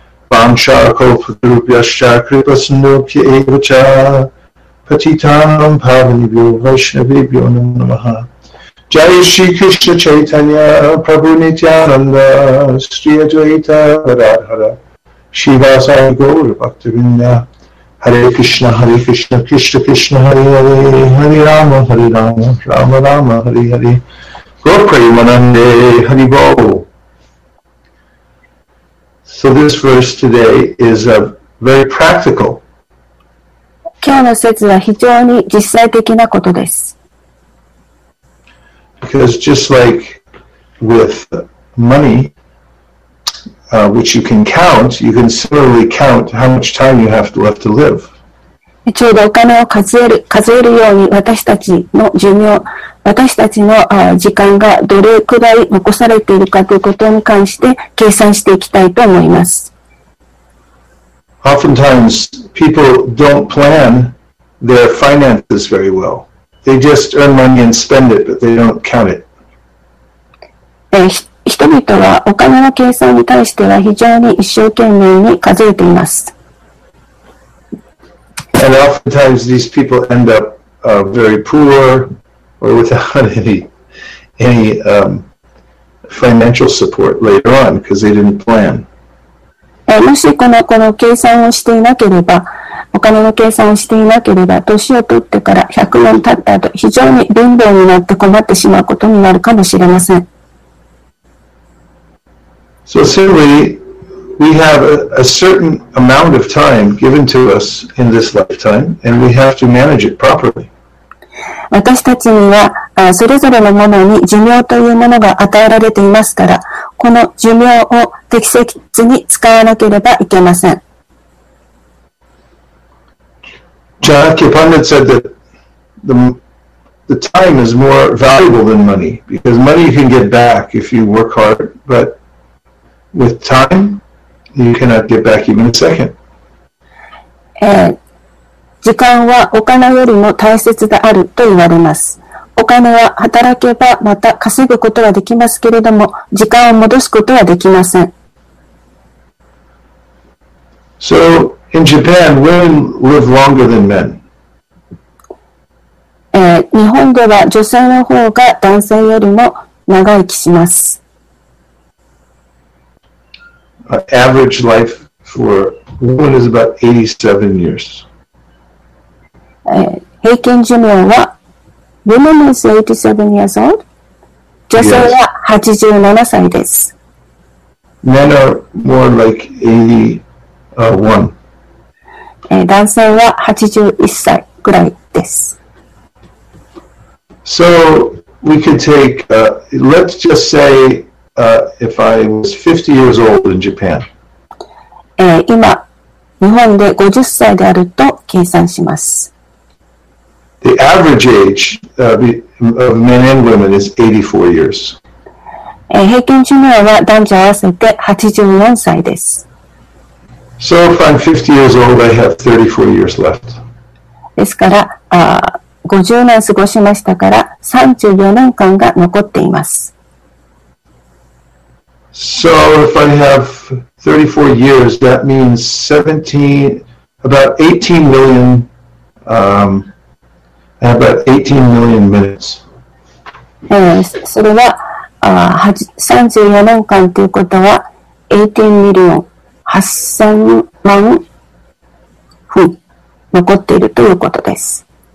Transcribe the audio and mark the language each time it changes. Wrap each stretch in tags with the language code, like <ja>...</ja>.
<sa>Vamsha Kopadrupyascha Kripa Sundopya Evacha Patitanam Pavanibhyo Vaishnavibhyo Namaha Jai Shri Krishna Chaitanya Prabhu Nityananda Sri Advaita Vadadhara Shivasai Gaur Bhaktivinda Hare Krishna Hare Krishna Krishna Krishna Hare Hare Hare Rama Hare Rama Rama Rama Hare Hare Gopremanande Hare Bo.</sa> <en>So this verse today is very practical.</en> <ja>今日の説は非常に実際的なことです。</ja> <en>Because just like with money, which you can count, you can similarly count how much time you have left to live.</en> <ja>ちょうどお金を数えるように私たちの寿命、私たちの時間がどれくらい残されているかということに関して計算していきたいと思います。</ja> <en>Oftentimes, people don't plan their finances very well. They just earn money and spend it, but they don't count it.</en> <ja>人々はお金の計算に対しては非常に一生懸命に数えています。</ja> <en>And oftentimes these people end up very poor or without any financial support later on because they didn't plan.</en> <ja>もしこの計算をしていなければ、お金の計算をしていなければ、年を取ってから100年経った後、非常に貧乏になって困ってしまうことになるかもしれません。</ja> <en>So simply, we have a certain amount of time given to us in this lifetime, and we have to manage it properly.</en> <ja>私たちにはそれぞれのものに寿命というものが与えられていますから、この寿命を適切に使わなければいけません。</ja> <en>ジャーキー・パンダッツ said that the time is more valuable than money, because money you can get back if you work hard, but with time, you cannot get back even a second.</en> <ja>時間はお金よりも大切であると言われます。お金は働けばまた稼ぐことはできますけれども、時間を戻すことはできません。</ja> <en>So, in Japan, women live longer than men.</en> <ja>日本では女性の方が男性よりも長生きします。</ja> <en>Average life for women is about 87 years.</en> <ja>平均寿命は</ja> <en>Women is 87 years old.</en> <ja>女性は87歳です。</ja> <en>Yes. Men are more like 81.</en> <ja>男性は81歳くらいです。</ja> <en>So we could take, let's just say, if I was 50 years old in Japan.</en> <ja>今、日本で50歳であると計算します。</ja> <en>The average age of men and women is 84 years.</en> <ja>平均寿命は男女合わせて84歳です。</ja> <en>So if I'm 50 years old, I have 34 years left.</en> <ja>ですから、50年過ごしましたから34年間が残っています。</ja> <en>So if I have 34 years, that means 18 million, I have about 18 million minutes.</en> <ja>それは34年間ということは18ミリオン8000万分残っているということです。</ja>